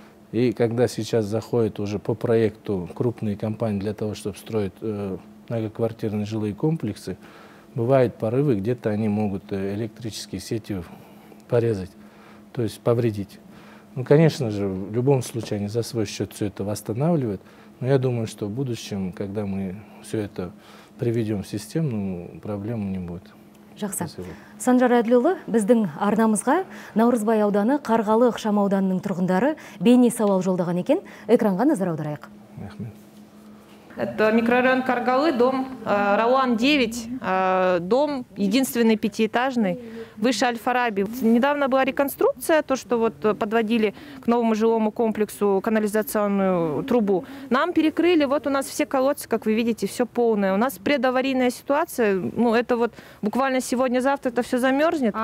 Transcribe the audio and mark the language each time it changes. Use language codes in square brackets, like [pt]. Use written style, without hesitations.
[ru] И когда сейчас заходят уже по проекту крупные компании для того, чтобы строить многоквартирные жилые комплексы, бывают порывы, где-то они могут электрические сети порезать, то есть повредить. Ну, конечно же, в любом случае они за свой счет все это восстанавливают. Но я думаю, что в будущем, когда мы все это приведем в систему, ну, проблем не будет. [kk] Жақсы. Санжар Әділұлы, біздің арнамызға Наурызбай ауданы Қарғалы ықшамауданының тұрғындары бейне сауал жолдаған екен. Экранға назар аударайық. Рахмет. [ru] Это микрорайон Каргалы, дом Рауан 9, дом единственный пятиэтажный, выше Альфа-Раби. Недавно была реконструкция, то, что вот подводили к новому жилому комплексу канализационную трубу. Нам перекрыли, вот у нас все колодцы, как вы видите, все полное. У нас предаварийная ситуация, ну это вот буквально сегодня-завтра это все замерзнет.